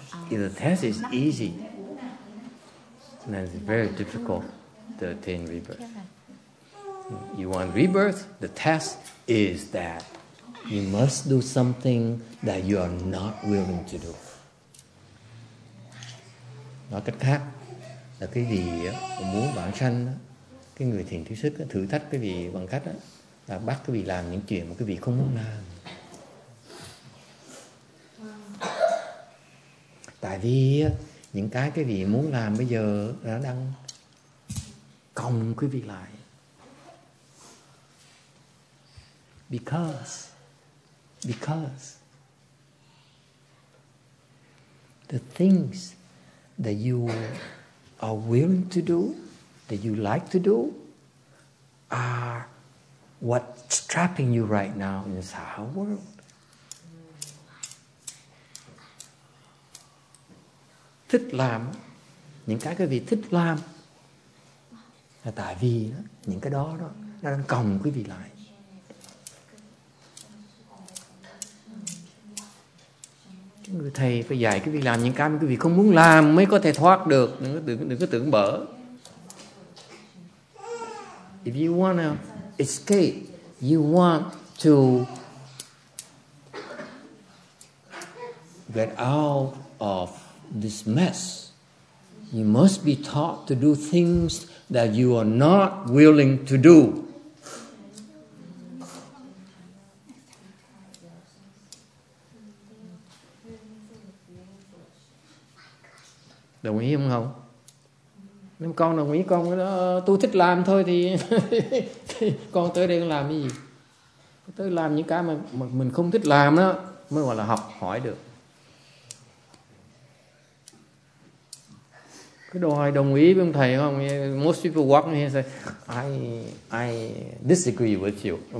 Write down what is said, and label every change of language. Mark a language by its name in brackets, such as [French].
[English] If the test is easy, then it's very difficult to attain rebirth. You want rebirth? The test is that you must do something that you are not willing to do. [Vietnamese] Nói cách khác là cái gì mà muốn vãng sanh, cái người thiền trí thức thử thách cái gì bằng cách là bắt cái gì làm những chuyện mà cái gì không muốn làm. Tại vì những cái gì muốn làm bây giờ nó đang còng quý vị lại. [English] Because the things that you are willing to do, that you like to do, are what's trapping you right now in this higher world. [Vietnamese] Thích làm, những cái vị thích làm là tại vì đó, những cái đó đó nó đang còng quý vị lại. Cái người thầy phải dạy quý vị làm những cái mà quý vị không muốn làm mới có thể thoát được. Đừng có tưởng bỡ. [English] If you want to escape, you want to get out of this mess, you must be taught to do things that you are not willing to do. [Vietnamese] Đồng ý không không? Nếu con đồng ý con tôi thích làm thôi thì con tới đây con làm cái gì? Tới làm những cái mà mình không thích làm đó mới gọi là học hỏi được. Cứ đòi đồng ý với ông thầy không? [English] Most people walk in and say, I disagree with you.